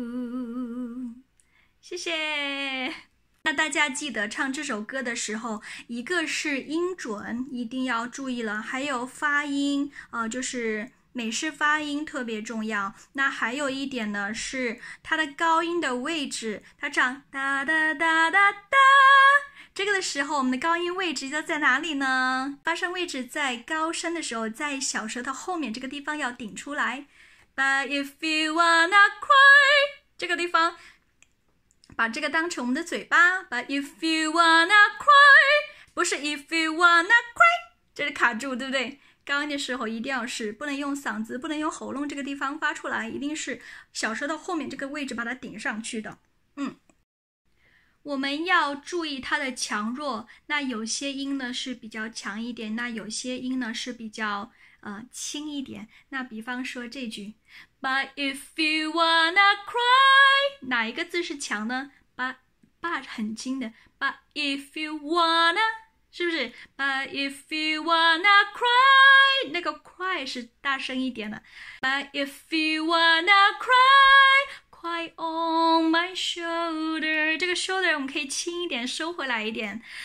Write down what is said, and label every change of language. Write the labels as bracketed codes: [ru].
[en] Can do, love can do. [zh] 谢谢。那大家记得唱这首歌的时候，一个是音准一定要注意了，还有发音啊，就是美式发音特别重要。那还有一点呢，是它的高音的位置，它唱哒哒哒哒哒。这个的时候我们的高音位置就在哪里呢？发声位置在高声的时候，在小舌头后面这个地方要顶出来。 [en] But if you wanna cry， [zh] 这个地方把这个当成我们的嘴巴。 [en] But if you wanna cry， [zh] 不是 [en] if you wanna cry， [zh] 这是卡住，对不对？高音的时候一定要是不能用嗓子，不能用喉咙这个地方发出来，一定是小舌头后面这个位置把它顶上去的。嗯，我们要注意它的强弱，那有些音呢是比较强一点，那有些音呢是比较轻一点。那比方说这句 [en] But if you wanna cry， [zh] 哪一个字是强呢？ [en] But [zh] 很轻的， [en] But if you wanna， [zh] 是不是？ [en] But if you wanna cry， [zh] 那个 [en] cry [zh] 是大声一点的。 [en] But if you wanna cry，Cry on my shoulder， [zh] 这个 [en] shoulder [zh] 我们可以轻一点，收回来一点。